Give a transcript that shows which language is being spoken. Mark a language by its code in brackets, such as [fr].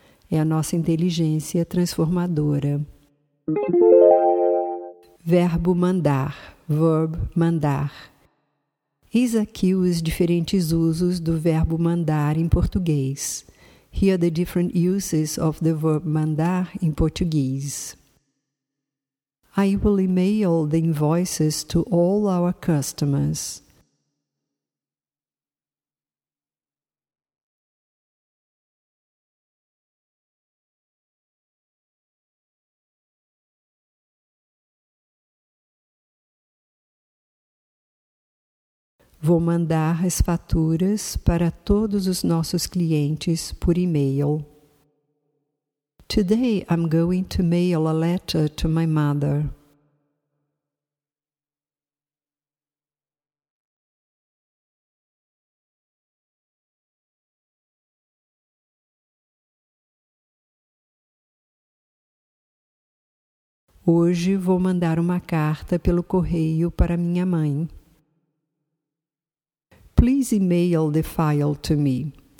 [pt] É a nossa inteligência transformadora. Verbo mandar. [en] Verb mandar. [pt] Eis aqui os diferentes usos do verbo mandar em português. [en] Here are the different uses of the verb mandar in Portuguese. I will email the invoices to all our customers. [pt] Vou mandar as faturas para todos os nossos clientes por e-mail. [en] Today I'm going to mail a letter to my mother. [pt] Hoje vou mandar uma carta pelo correio para minha mãe. [en] Please email the file to me.